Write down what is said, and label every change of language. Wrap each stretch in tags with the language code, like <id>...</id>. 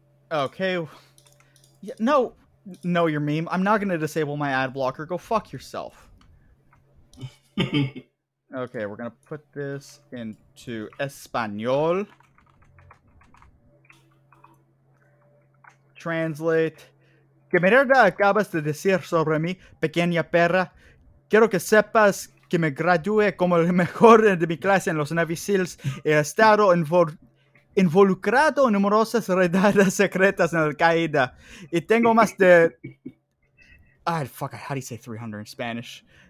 <en>Okay. Yeah, no, no, your meme. I'm not going to disable my ad blocker. Go fuck yourself. Okay, we're going to put this into Espanol. Translate.</en> <es>¿Qué mierda acabas de decir sobre mí, pequeña perra? Quiero que sepas que me gradué como el mejor de mi clase en los Navy SEALs. He estado involucrado en numerosas redadas secretas en Al Qaeda. Y tengo más de...</es> <en>Ah, fuck, how do you say 300 in Spanish?</en>